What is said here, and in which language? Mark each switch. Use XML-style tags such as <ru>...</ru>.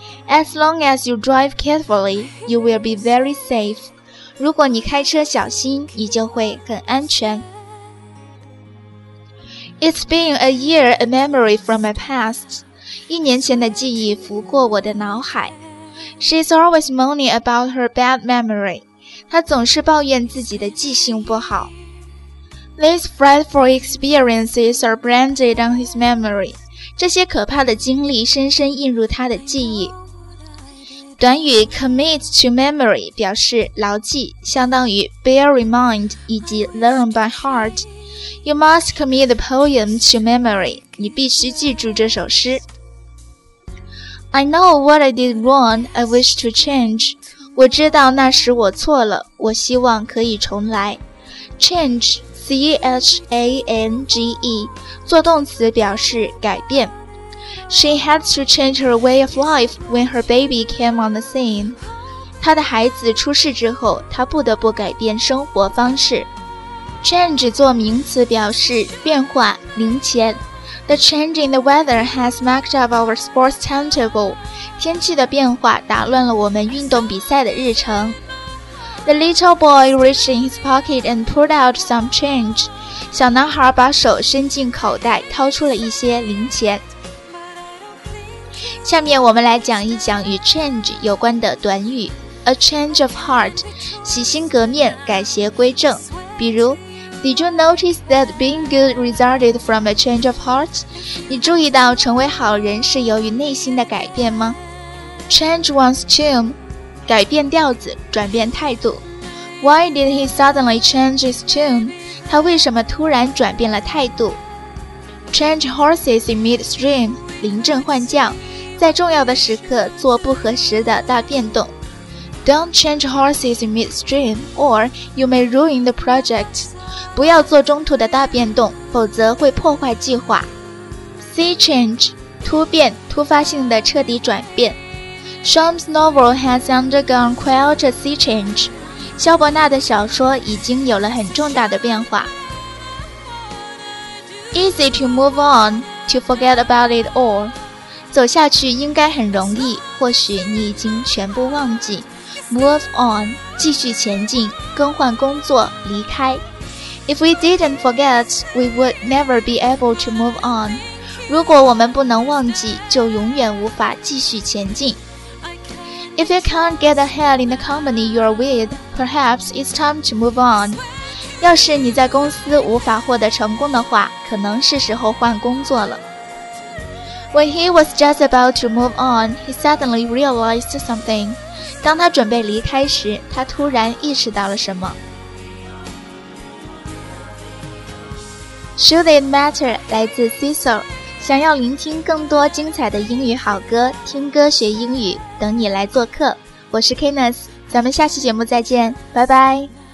<en>As long as you drive carefully, you will be very safe.</en> <zh>如果你开车小心，你就会很安全。</zh> <en>It's been a year, a memory from my past.</en> <zh>一年前的记忆拂过我的脑海。</zh> <en>She's always moaning about her bad memory.</en> <zh>她总是抱怨自己的记性不好。</zh> <en>These frightful experiences are branded on his memory.</en> <zh>这些可怕的经历深深印入他的记忆。短语</zh> <en>commit to memory</en> <zh>表示牢记，相当于</zh> <en>bear in mind</en> <zh>以及</zh> <en>learn by heart。 You must commit the poem to memory，</en> <zh>你必须记住这首诗。</zh> <en>I know what I did wrong, I wish to change，</en> <zh>我知道那时我错了，我希望可以重来。 change, C-H-A-N-G-E， 做动词表示改变。</zh> <en>She had to change her way of life when her baby came on the scene.</en> <zh>她的孩子出世之后，她不得不改变生活方式。 Change 做名词表示变化、零钱。</zh> <en>The change in the weather has messed up our sports timetable.</en> <zh>天气的变化打乱了我们运动比赛的日程。</zh> <en>The little boy reached in his pocket and pulled out some change.</en> <zh>小男孩把手伸进口袋，掏出了一些零钱。下面我们来讲一讲与 change 有关的短语。</zh> <en>A change of heart，</en> <zh>洗心革面，改邪归正。</zh> <en>比如 Did you notice that being good resulted from a change of heart？</en> <zh>你注意到成为好人是由于内心的改变吗？</zh> <en>Change one's tune，</en> <zh>改变调子，转变态度。</zh> <en>Why did he suddenly change his tune？</en> <zh>他为什么突然转变了态度？</zh> <en>Change horses in midstream，</en> <zh>临阵换将，在重要的时刻做不合时的大变动。</zh> <en>Don't change horses in midstream, or you may ruin the project.</en> <zh>不要做中途的大变动，否则会破坏计划。</zh> <en>See change,</en> <zh>突变，突发性的彻底转变。</zh> <en>Shum's novel has undergone quite a sea change.</en> <zh>肖伯纳的小说已经有了很重大的变化。</zh> <en>Easy to move on, to forget about it all.</en> <zh>走下去应该很容易，或许你已经全部忘记。</zh> <en>Move on，</en> <zh>继续前进，更换工作，离开。</zh> <en>If we didn't forget, we would never be able to move on。</en> <zh>如果我们不能忘记，就永远无法继续前进。</zh> <en>If you can't get ahead in the company you are with, perhaps it's time to move on。</en> <zh>要是你在公司无法获得成功的话，可能是时候换工作了。</zh> <en>When he was just about to move on, he suddenly realized something.</en> <zh>当他准备离开时，他突然意识到了什么。 Should It Matter 来自 CISO。想要聆听更多精彩的英语好歌，听歌学英语，等你来做客。我是 Kenneth， 咱们下期节目再见，拜拜。</zh>